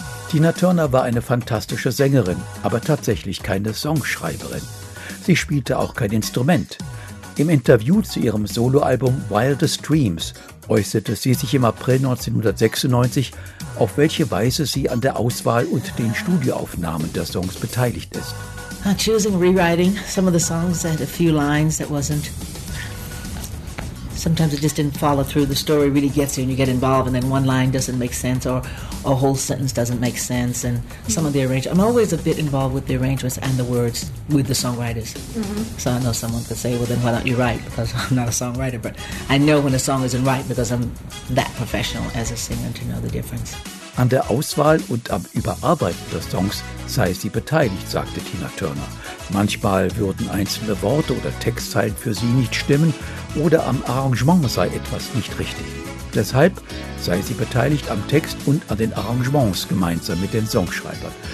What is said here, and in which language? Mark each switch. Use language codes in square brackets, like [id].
[de] Tina Turner war eine fantastische Sängerin, aber tatsächlich keine Songschreiberin. Sie spielte auch kein Instrument. Im Interview zu ihrem Soloalbum Wildest Dreams äußerte sie sich im April 1996, auf welche Weise sie an der Auswahl und den Studioaufnahmen der Songs beteiligt ist. [en] Choosing rewriting some of the songs that had a few lines that wasn't. Sometimes it just didn't follow through. The story really gets you and you get involved and then one line doesn't make sense or a whole sentence doesn't make sense. And some of the arrangements. I'm always a bit involved with the arrangements and the words with the songwriters. Mm-hmm. So I know someone could say, well, then why don't you write? Because I'm not a songwriter. But I know when a song isn't right because I'm that professional as a singer to know the difference. [de] An der Auswahl und am Überarbeiten der Songs sei sie beteiligt, sagte Tina Turner. Manchmal würden einzelne Worte oder Textzeilen für sie nicht stimmen oder am Arrangement sei etwas nicht richtig. Deshalb sei sie beteiligt am Text und an den Arrangements gemeinsam mit den Songschreibern.